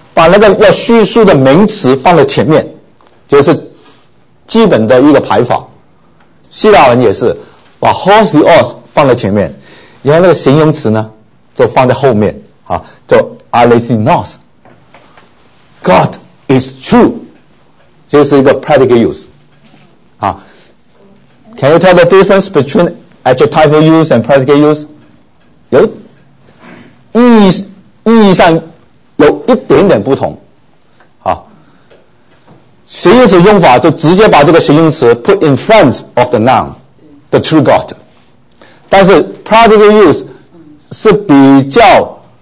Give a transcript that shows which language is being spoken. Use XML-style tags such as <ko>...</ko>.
<zh>把那个要叙述的名词放在前面，就是基本的一个排法。希腊人也是把 horse os 放在前面，然后那个形容词呢就放在后面啊，就 alethinos。</zh> <en>God is true， 这是一个 predicate use 啊。 Can you tell the difference between adjectival use and predicate use？</en> <zh>有意义上。有一点点不同，啊，形容词用法就直接把这个形容词</zh> <en>put in front of the noun， the true God，</en> <zh>但是 predicate use 是比较</zh>